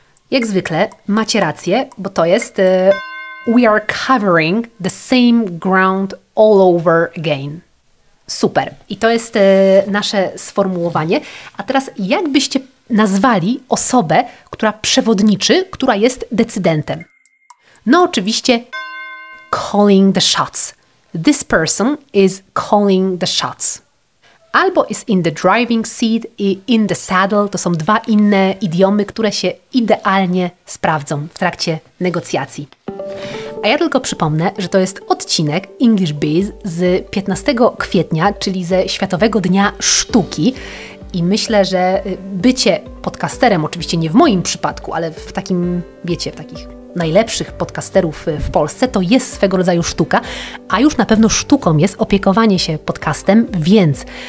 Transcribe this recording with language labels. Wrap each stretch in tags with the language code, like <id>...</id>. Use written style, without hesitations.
<pl>Jak zwykle macie rację, bo to jest</pl> <en>we are covering the same ground all over again.</en> <pl>Super. I to jest nasze sformułowanie. A teraz jak byście nazwali osobę, która przewodniczy, która jest decydentem? No oczywiście</pl> <en>calling the shots. This person is calling the shots.</en> <pl>Albo</pl> <en>is in the driving seat i in the saddle.</en> <pl>To są dwa inne idiomy, które się idealnie sprawdzą w trakcie negocjacji. A ja tylko przypomnę, że to jest odcinek English Biz z 15 kwietnia, czyli ze Światowego Dnia Sztuki. I myślę, że bycie podcasterem, oczywiście nie w moim przypadku, ale w takim, wiecie, w takich najlepszych podcasterów w Polsce, to jest swego rodzaju sztuka, a już na pewno sztuką jest opiekowanie się podcastem, więc</pl>